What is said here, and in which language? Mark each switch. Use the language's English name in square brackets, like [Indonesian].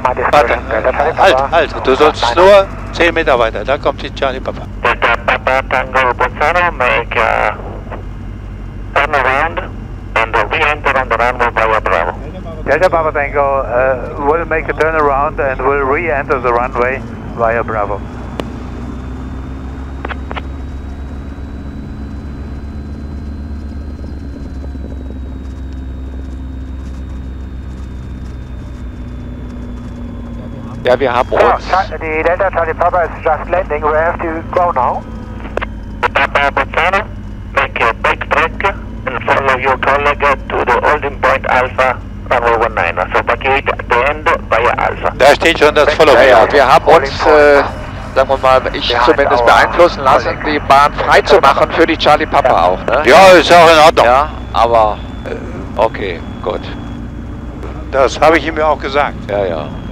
[German] Warte, halt, halt, du sollst nur 10 Meter weiter, da kommt die Charlie Papa. [English] Delta Papa Tango Bozzano, make a turn around and re-enter on the runway Bravo Bravo. Delta Papa Tango will make a turn around and will re-enter the runway via Bravo. [German] Ja, wir haben uns. [English] Die Delta Charlie Papa is just landing. We have to go now. Papa Bozzano, make a back track and follow your colleague to the holding point Alpha runway 19. So backing at the end via Alpha. [German] Da steht schon das Follow. Ja, wir haben uns, sagen wir mal, ich zumindest beeinflussen lassen, die Bahn frei zu machen für die Charlie Papa auch. Ne? Ja, ist auch in Ordnung. Ja, aber okay, gut. Das habe ich ihm ja auch gesagt. Ja, ja.